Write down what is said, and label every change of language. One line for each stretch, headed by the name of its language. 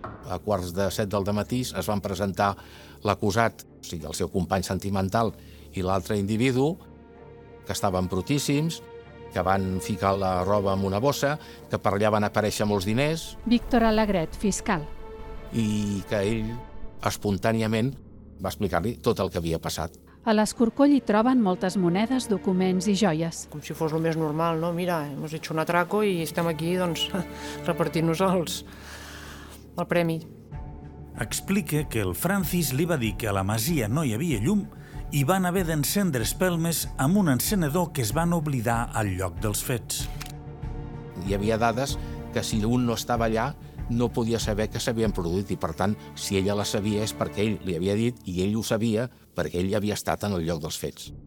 Catalan: A 6:45 del dematí es van presentar l'acusat, o sigui, el seu company sentimental i l'altre individu, que estaven brutíssims, que van ficar la roba en una bossa, que per allà van aparèixer molts diners. Víctor Alegret, fiscal. I que ell, espontàniament, va explicar-li tot el que havia passat. A l'escorcoll hi troben moltes monedes, documents i joies. Com si fos el més normal, no?
Spanish: Mira, hemos hecho un atraco
Catalan: i estem aquí, doncs, repartint-nos el premi. Explica que el Francis li va dir que a la masia no hi havia llum i van haver d'encendre espelmes amb un encenedor que es van oblidar al lloc dels fets. Hi havia dades que si un no estava allà no podia saber que s'havien produït i, per tant, si ella la sabia és perquè ell li havia dit i ell ho sabia perquè ell havia estat en el lloc dels fets.